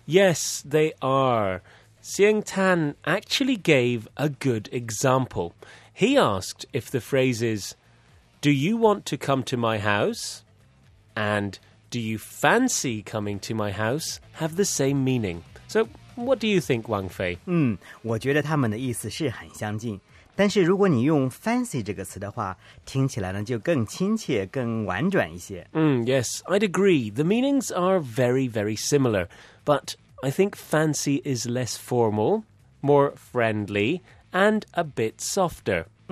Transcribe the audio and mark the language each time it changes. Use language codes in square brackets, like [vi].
[en] Yes, they are. Xiang Tan actually gave a good example. He asked if the phrases, do you want to come to my house? And do you fancy coming to my house? Have the same meaning. So, what do you think, Wang Fei? [zh] 我觉得他们的意思是很相近。但是如果你用 fancy 这个词的话，听起来呢就更亲切、更婉转一些。 [en] Yes, I'd agree. The meanings are very, very similar, but I think fancy is less formal, more friendly, and a bit softer.